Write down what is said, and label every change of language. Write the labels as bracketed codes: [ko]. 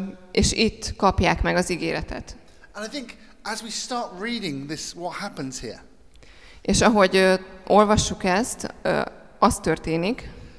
[hu] És itt kapják meg az ígéretet. [en] And I think as we start reading this, what happens here? [hu] És ahogy olvassuk ezt, az történik.